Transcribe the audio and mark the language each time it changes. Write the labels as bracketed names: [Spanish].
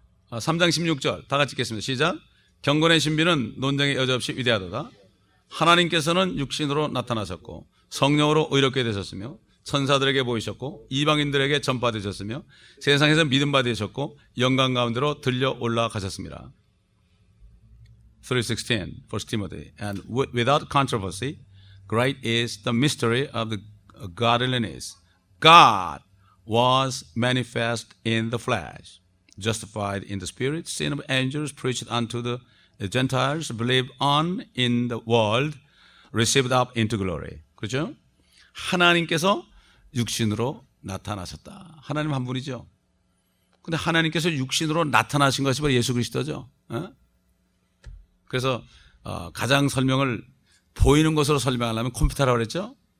[Korean] 3장 16절 다 같이 읽겠습니다. 시작. 경건의 신비는 논쟁의 여지없이 위대하도다. 하나님께서는 육신으로 나타나셨고 성령으로 의롭게 되셨으며 천사들에게 보이셨고 이방인들에게 전파되셨으며 세상에서 믿음받으셨고 영광 가운데로 들려 올라가셨습니다. [English] 3:16 First Timothy And without controversy great is the mystery of the godliness. God was manifest in the flesh, justified in the spirit, seen of angels, preached unto the Gentiles, believed on in the world, received up into glory. [Korean] 그렇죠? 하나님께서 육신으로 나타나셨다. 하나님 한 분이죠. 근데 하나님께서 육신으로 나타나신 것이 바로 예수 그리스도죠. 그래서 가장 설명을 보이는 것으로 설명하려면 컴퓨터라고 그랬죠.